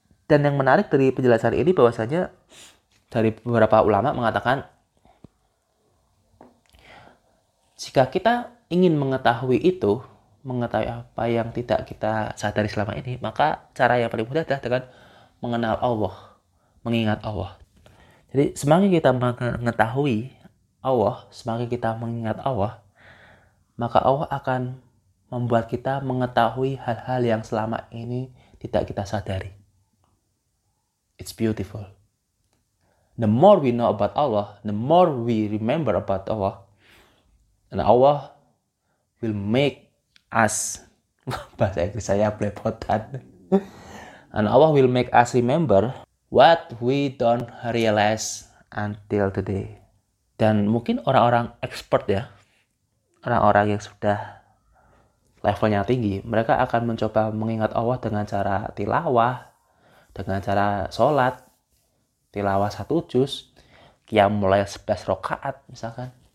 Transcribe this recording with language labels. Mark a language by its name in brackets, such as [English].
[Indonesian] Dan yang menarik dari penjelasan ini bahwasanya dari beberapa ulama mengatakan, jika kita ingin mengetahui itu, mengetahui apa yang tidak kita sadari selama ini, maka cara yang paling mudah adalah dengan mengenal Allah, mengingat Allah. Jadi semakin kita mengetahui Allah, semakin kita mengingat Allah, maka Allah akan membuat kita mengetahui hal-hal yang selama ini tidak kita sadari. [English] It's beautiful. The more we know about Allah, the more we remember about Allah, and Allah will make us, [Indonesian] bahasa Inggris saya belepotan, [English] and Allah will make us remember what we don't realize until today. [Indonesian] Dan mungkin orang-orang expert ya, orang-orang yang sudah levelnya tinggi, mereka akan mencoba mengingat Allah dengan cara tilawah, dengan cara sholat, tilawah satu juz, qiyam mulai 11 rakaat misalkan.